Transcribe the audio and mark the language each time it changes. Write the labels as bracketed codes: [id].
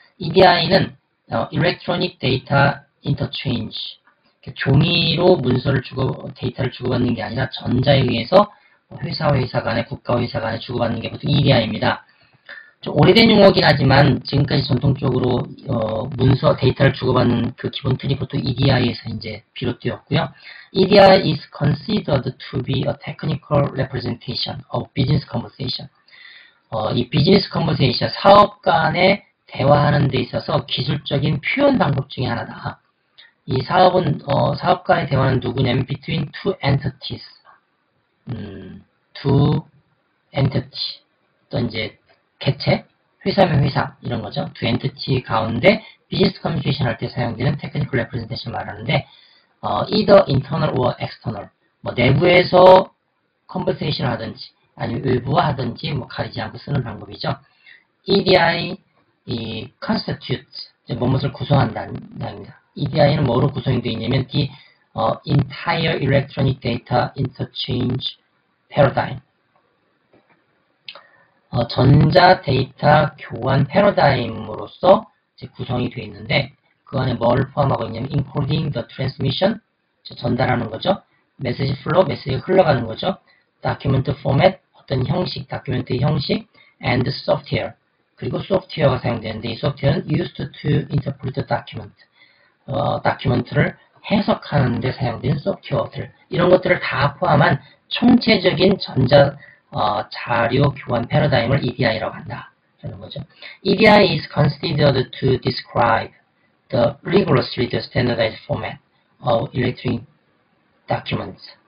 [ko] EDI는 Electronic Data Interchange, 종이로 문서를 주고 데이터를 주고받는 게 아니라 전자에 의해서 회사와 회사 간에, 국가와 회사 간에 주고받는 게 보통 EDI입니다. 좀 오래된 용어긴 하지만 지금까지 전통적으로 문서 데이터를 주고받는 그 기본 틀이 보통 EDI에서 이제 비롯되었고요. [en] EDI is considered to be a technical representation of business conversation. [ko] 이 business conversation, 사업 간의 대화하는 데 있어서 기술적인 표현 방법 중에 하나다. 이 사업은 사업 간의 대화는 누구냐면 [en] between two entities, [ko] two entity 또 이제 개체, 회사면 회사 이런 거죠. 두 엔티티 가운데 비즈니스 커뮤니케이션 할때 사용되는 테크니컬 레프레젠테이션 말하는데, [en] either internal or external, [ko] 뭐 내부에서 컨버세이션 하든지 아니면 외부화 하든지 뭐 가리지 않고 쓰는 방법이죠. EDI 이 constitute 무엇을 구성한다는 말입니다. EDI는 뭐로 구성이 되어 있냐면 [en] the entire electronic data interchange paradigm. [ko] 전자 데이터 교환 패러다임으로서 이제 구성이 되어 있는데, 그 안에 뭘 포함하고 있냐면, [en] encoding the transmission, [ko] 전달하는 거죠. 메시지 플로우, 메시지가 흘러가는 거죠. 다큐멘트 포맷, 어떤 형식, 다큐멘트 형식, [en] and software. [ko] 그리고 소프트웨어가 사용되는데, 이 소프트웨어는 [en] used to interpret the document. [ko] 다큐멘트를 해석하는 데 사용되는 소프트웨어들. 이런 것들을 다 포함한 총체적인 전자 자료 교환 패러다임을 EDI라고 한다. 라는 거죠. [en] EDI is considered to describe the rigorously standardized format of electronic documents.